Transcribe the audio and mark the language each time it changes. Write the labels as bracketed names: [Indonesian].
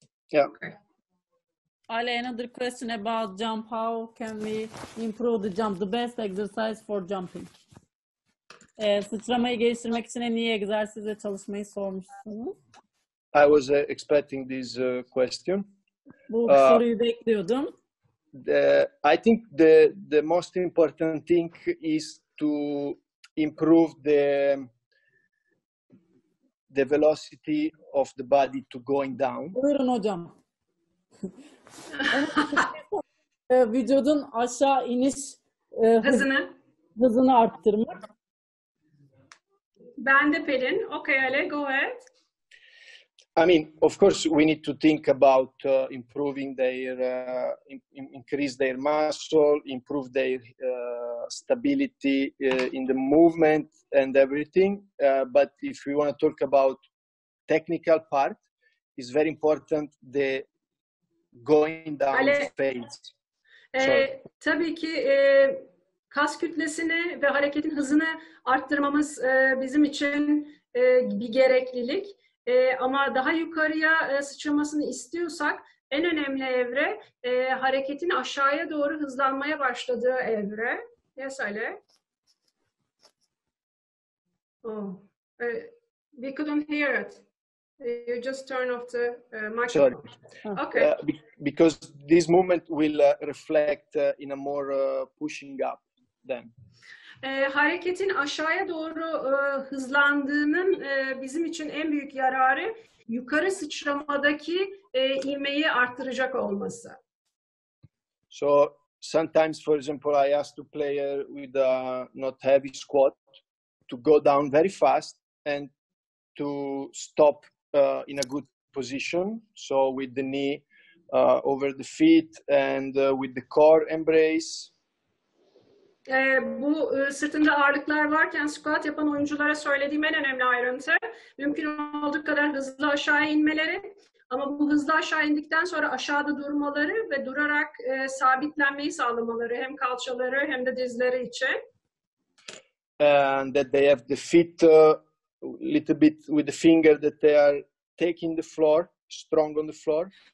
[English] Yeah. Ale, another question about jump. How can we improve the jump? The best exercise for jumping. [Turkish] Sıçramayı geliştirmek için en iyi egzersizle çalışmayı sormuşsunuz. [English] I was expecting this question. [Turkish] Bu soruyu bekliyordum. [English] I think the most important thing is to improve the velocity of the body to going down. [Turkish] Buyurun hocam. Vücudun aşağı iniş hızını arttırmak. Ben de Pelin. [English] Okay, Ale, go ahead. I mean, of course, we need to think about improving their, increase their muscle, improve their stability in the movement and everything. But if we want to talk about technical part, it's very important the going down phase. [Turkish] Tabii ki kas kütlesini ve hareketin hızını arttırmamız bizim için bir gereklilik. Ama daha yukarıya sıçramasını istiyorsak en önemli evre hareketin aşağıya doğru hızlanmaya başladığı evre. [English] Yes, Ale. Oh. We couldn't hear it. You just turn off the microphone. Sorry. Okay. Because this movement will reflect in a more pushing up then. [Turkish] Hareketin aşağıya doğru hızlandığının bizim için en büyük yararı yukarı sıçramadaki inmeyi arttıracak olması. [English] So sometimes, for example, I ask the player with a not heavy squat to go down very fast and to stop in a good position, so with the knee over the feet and with the core embrace. [Turkish] Bu sırtında ağırlıklar varken squat yapan oyunculara söylediğim en önemli ayrıntı, mümkün olduğu kadar hızlı aşağı inmeleri, ama bu hızlı aşağı indikten sonra aşağıda durmaları ve durarak sabitlenmeyi sağlamaları hem kalçaları hem de dizleri için. [English] And that they have the feet a little bit with the finger that they are taking the floor, strong on the floor.